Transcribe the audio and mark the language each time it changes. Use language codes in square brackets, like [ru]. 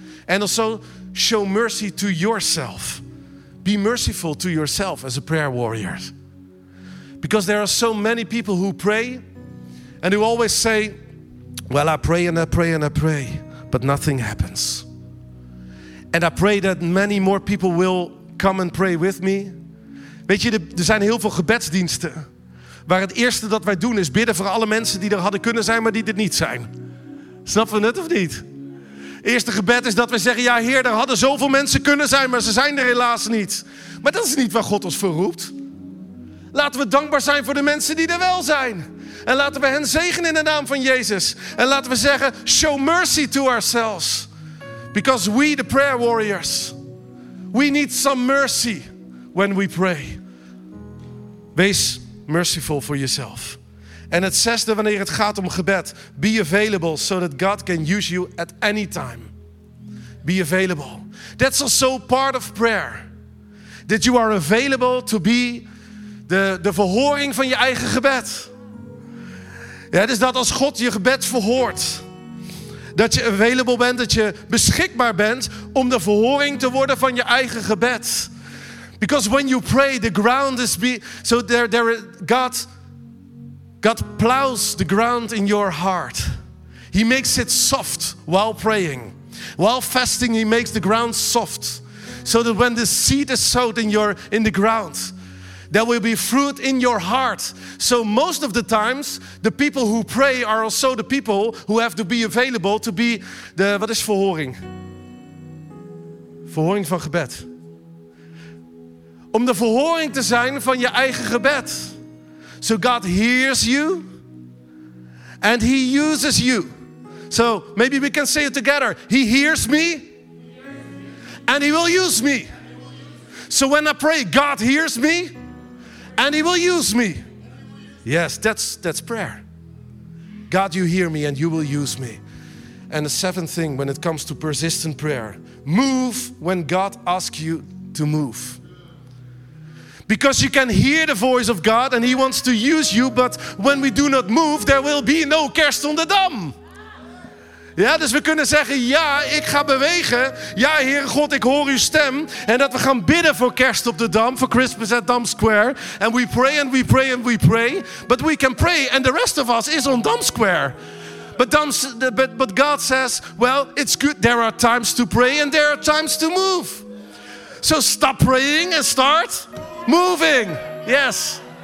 [en] And also show mercy to yourself. Be merciful to yourself as a prayer warrior. Because there are so many people who pray and who always say, well, I pray and I pray and I pray, but nothing happens. And I pray that many more people will come and pray with me. [nl] Weet je, er zijn heel veel gebedsdiensten waar het eerste dat wij doen is bidden voor alle mensen die er hadden kunnen zijn, maar die er niet zijn. Snappen we het of niet? Eerste gebed is dat we zeggen, ja Heer, er hadden zoveel mensen kunnen zijn, maar ze zijn er helaas niet. Maar dat is niet waar God ons voor roept. Laten we dankbaar zijn voor de mensen die er wel zijn. En laten we hen zegenen in de naam van Jezus. En laten we zeggen, [en] show mercy to ourselves. Because we, the prayer warriors, we need some mercy when we pray. [nl] Wees [en] merciful for yourself. [nl] En het zesde, wanneer het gaat om gebed, [en] be available so that God can use you at any time. Be available. That's also part of prayer. That you are available to be [nl] de verhoring van je eigen gebed. Ja, dus dat als God je gebed verhoort, dat je available bent, dat je beschikbaar bent om de verhoring te worden van je eigen gebed. [en] Because when you pray, the ground is so there God plows the ground in your heart. He makes it soft while praying. While fasting, he makes the ground soft. So that when the seed is sowed in the ground, there will be fruit in your heart. So most of the times, the people who pray are also the people who have to be available to be the, what is verhoring? [nl] Verhoring van gebed. Om de verhoring te zijn van je eigen gebed. [en] So God hears you and he uses you. So maybe we can say it together. He hears me and he will use me. So when I pray, God hears me and he will use me. Yes, that's prayer. God, you hear me and you will use me. And the seventh thing when it comes to persistent prayer, move when God asks you to move. Because you can hear the voice of God and he wants to use you, but when we do not move, there will be no kerst on the dam. [nl] Ja, dus we kunnen zeggen, ja, ik ga bewegen. Ja, Heere God, ik hoor uw stem. En dat we gaan bidden voor kerst op de Dam, voor Christmas at Dam Square. [en] And we pray and we pray and we pray. But we can pray and the rest of us is on Dam Square. But God says, well, it's good. There are times to pray and there are times to move. So stop praying and start moving. Yes.